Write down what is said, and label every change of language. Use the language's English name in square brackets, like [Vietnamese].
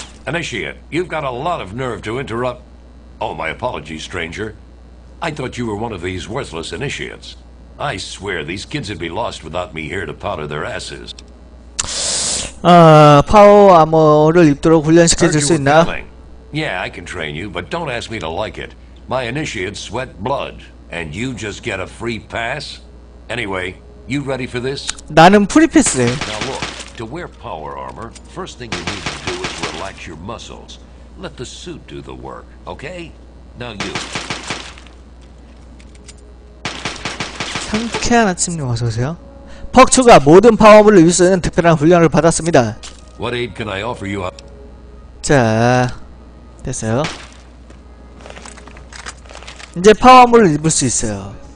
[English] Initiate, you've got a lot of nerve to interrupt. Oh, my apologies, stranger. I thought you were one of these worthless initiates. I swear, these kids would be lost without me here to powder their asses. [Korean] 아, 파워 아머를 입도록 훈련시켜줄 수 있나? [English] Yeah, I can train you, but don't ask me to like it. My initiates sweat blood, and you just get a free pass? Anyway, you ready for this? [Korean] 나는 프리패스. [English] Now look. To wear power armor, first thing you need to do is relax your muscles. Let the suit do the work, okay? Now you. [Korean] 상쾌한 아침님 어서 오세요. 퍽추가 모든 파워블을 위해서 있는 특별한 훈련을 받았습니다. [English] What aid can I offer you? [Korean] 자, 됐어요. 이제 파워블을 입을 수 있어요.